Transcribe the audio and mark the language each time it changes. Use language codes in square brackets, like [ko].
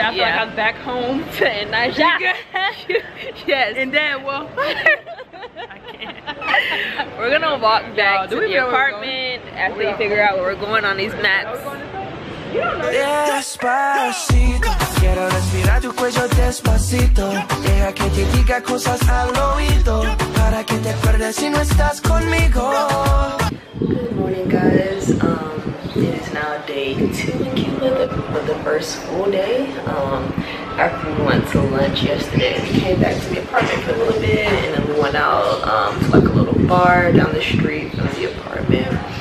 [en] I feel like I was back home to in Nigeria. Yes. And then, well, we're gonna walk back to the apartment after we figure out where we're going on these mats. [es] Despacito, quiero respirar tu cuello despacito. Deja que te diga cosas al oído. Para que te acuerdes si no estás conmigo. [en] Good morning, guys. It is now day two in Cuba, the first school day. After we went to lunch yesterday, we came back to the apartment for a little bit, and then we went out to like a little bar down the street from the apartment.